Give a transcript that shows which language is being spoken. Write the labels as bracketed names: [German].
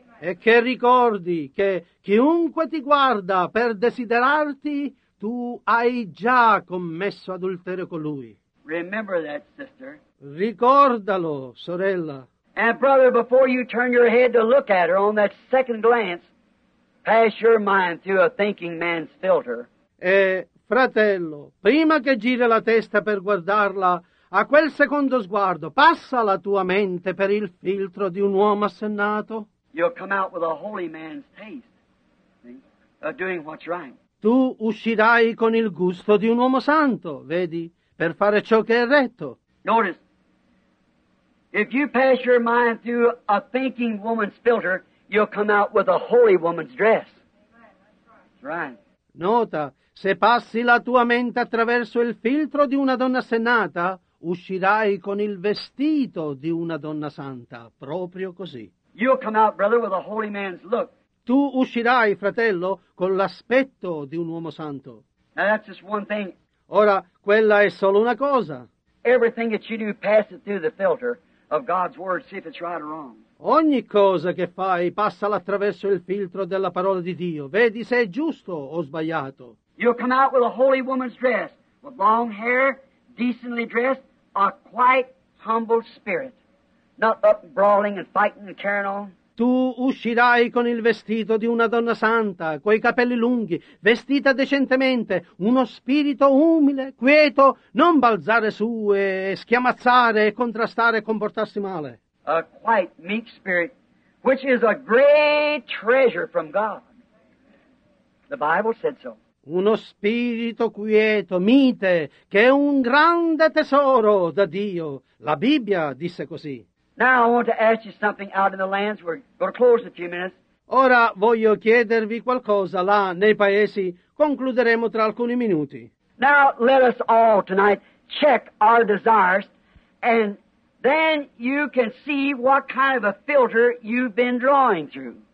[Italian] E che ricordi che chiunque ti guarda per desiderarti, tu hai già commesso adulterio con lui. [English] Remember that, sister. [Italian] Ricordalo, sorella. [English] And brother, before you turn your head to look at her on that second glance, pass your mind through a thinking man's filter. [Italian] E fratello, prima che giri la testa per guardarla, a quel secondo sguardo, passa la tua mente per il filtro di un uomo assennato. [English] You'll come out with a holy man's taste, see, of doing what's right. [Italian] Tu uscirai con il gusto di un uomo santo, vedi, per fare ciò che è retto. [English] Notice, if you pass your mind through a thinking woman's filter, you'll come out with a holy woman's dress. Right. [Italian] Nota, se passi la tua mente attraverso il filtro di una donna assennata, uscirai con il vestito di una donna santa, proprio così. [English] You'll come out, brother, with a holy man's look. [Italian] Tu uscirai, fratello, con l'aspetto di un uomo santo. [English] Now that's just one thing. [Italian] Ora, quella è solo una cosa. [English] Everything that you do, pass it through the filter of God's word, see if it's right or wrong. [Italian] Ogni cosa che fai, passala attraverso il filtro della parola di Dio. Vedi se è giusto o sbagliato. [English] You'll come out with a holy woman's dress, with long hair, decently dressed, a quite humble spirit. Not up brawling and fighting and carrying on. [Italian] Tu uscirai con il vestito di una donna santa, coi capelli lunghi, vestita decentemente, uno spirito umile, quieto, non balzare su e schiamazzare, contrastare e comportarsi male. [English] A quiet, meek spirit, which is a great treasure from God. The Bible said so. [Italian] Uno spirito quieto, mite, che è un grande tesoro da Dio. La Bibbia disse così. [English] Now I want to ask you something out in the lands. We're going to close in a few minutes. [Italian] Ora voglio chiedervi qualcosa là nei paesi. Concluderemo tra alcuni minuti. [English] Now let us all tonight check our desires, and then you can see what kind of a filter you've been drawing through.